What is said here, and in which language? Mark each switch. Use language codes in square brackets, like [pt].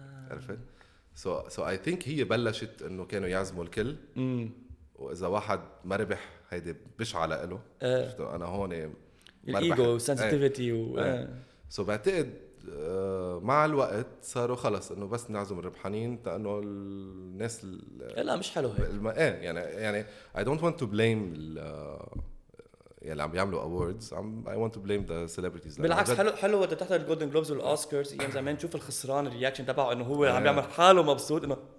[ar] عرفت؟ [en] So I think [ar] هي بلشت انه كانوا يعزموا الكل. واذا واحد ما ربح هيدا بش على له. انا هون الايجو والسنسيتيفيتي [en] So [ar] بعتقد مع الوقت صاروا خلص انه بس نعزم الربحانين، لانه الناس لا مش حلو هيك. يعني [en] I don't want to blame [ar] يعني عم يعملوا [en] awards، I want to blame the celebrities. [ar] بالعكس حلو وقت تحت الجولدن جلوبز والأوسكارز أيام زمان تشوف الخسران الرياكشن تبعه إنه هو عم يعمل حاله مبسوط إنه